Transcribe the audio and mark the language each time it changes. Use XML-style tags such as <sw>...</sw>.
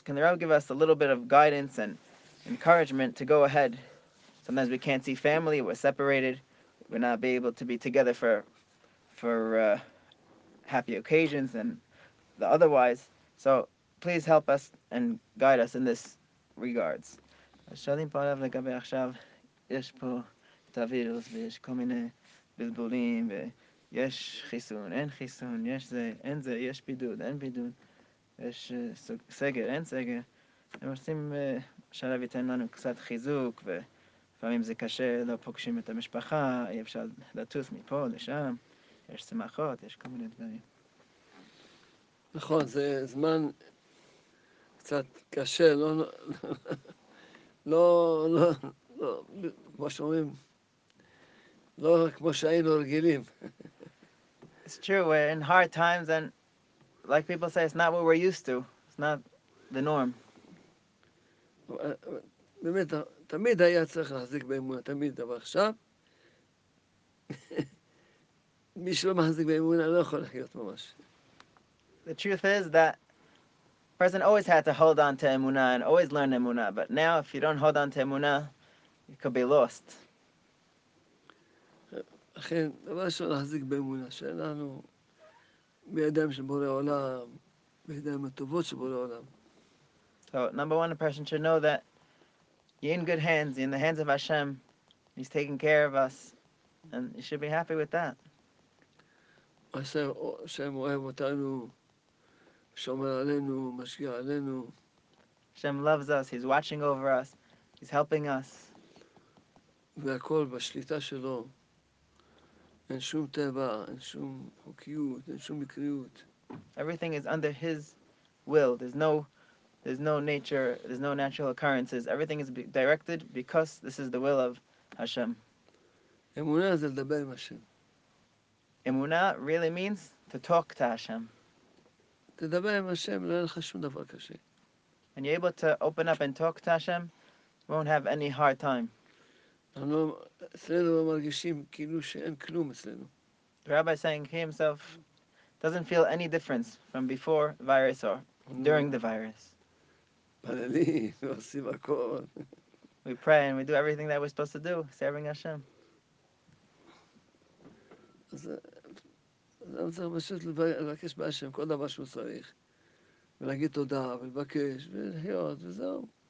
<en>Can the Rebbe give us a little bit of guidance and encouragement to go ahead? Sometimes we can't see family, we're separated, we're not be able to be together for happy occasions and the otherwise. So please help us and guide us in this regards.</en> <he>שואלים פה עליו לגבי עכשיו, יש פה את הווירוס ויש כל מיני בלבולים ויש חיסון, אין חיסון, יש זה, אין זה, יש בידוד, אין בידוד, יש סגר, אין סגר. הם רוצים שהרב ייתן לנו קצת חיזוק ופעמים זה קשה, לא פוגשים את המשפחה, אי אפשר לטוס מפה לשם, יש שמחות, יש כל מיני דברים. נכון, זה זמן קצת קשה, לא... לא, לא, לא, כמו שאומרים, לא כמו שהיינו רגילים.</he> <en>It's true, we're in hard times and like people say, it's not what we're used to. It's not the norm.</en> <he>באמת, תמיד היה צריך להחזיק באמונה, תמיד, אבל עכשיו, מי שלא מחזיק באמונה לא יכול לחיות ממש.</he> <en>The truth is that the person always had to hold on to emunah and always learn emunah, but now if you don't hold on to emunah, you could be lost.</en> <he>אכן, דבר שלא להחזיק באמונה, שאלנו בידיים של בורא עולם, בידיים הטובות של בורא עולם.</he> <en>So, number one, a person should know that you're in good hands, you're in the hands of Hashem, He's taking care of us, and you should be happy with that.</en> <he>Hashem אוהב אותנו, שומר עלינו, משגיע עלינו.</he> <en>Hashem loves us, He's watching over us, He's helping us.</en> <he>והכל בשליטה שלו. אין שום טבע, אין שום חוקיות, אין שום מקריות.</he> <en>Everything is under His will. There's no nature, there's no natural occurrences. Everything is directed because this is the will of Hashem.</en> <he>אמונה זה לדבר עם השם.</he> <en>אמונה really means to talk to Hashem.</en> <he>תדבר עם השם, לא יהיה לך שום דבר קשה.</he> <en>And you're able to open up and talk to Hashem, won't have any hard time.</en> <he>אנחנו אצלנו לא מרגישים כאילו שאין כלום אצלנו.</he> <en>The rabbi saying he himself doesn't feel any difference from before the virus or during the virus.</en> <he>פללים, עושים הכל.</he> <en>We pray and we do everything that we're supposed to do, serving Hashem.</en> <he>אז... אדם צריך פשוט לבקש בהשם כל דבר שהוא צריך ולהגיד תודה ולבקש ולהיות וזהו.</he>